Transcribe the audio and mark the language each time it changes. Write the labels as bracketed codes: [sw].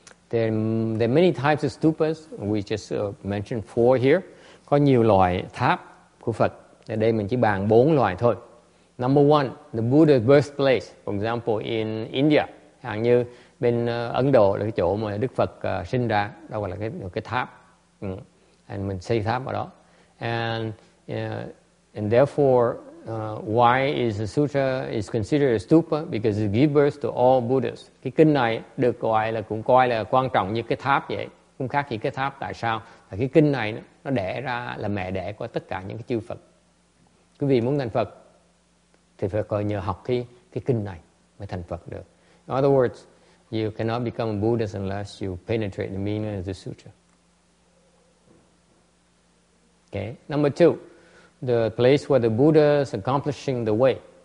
[en] There are many types of stupas. We just mentioned four here. [vi] Có nhiều loại tháp của Phật. Ở đây mình chỉ bàn bốn loại thôi. [en] Number one, the Buddha's birthplace. For example, in India, [vi] hàng như bên Ấn Độ là cái chỗ mà Đức Phật sinh ra, đó gọi là cái tháp. And mình xây tháp ở đó. [en] And therefore, why is the sutra is considered a stupa? Because it gives birth to all Buddhas. [vi] Cái kinh này được gọi là cũng coi là quan trọng như cái tháp vậy. Không khác gì cái tháp. Tại sao? Là cái kinh này nó đẻ ra là mẹ đẻ của tất cả những cái chư Phật. Quý vị muốn thành Phật thì phải coi nhờ học cái kinh này mới thành Phật được. [en] In other words, you cannot become a Buddhist unless you penetrate the meaning of the sutra. Okay. Number two, the place where the Buddha is accomplishing the way.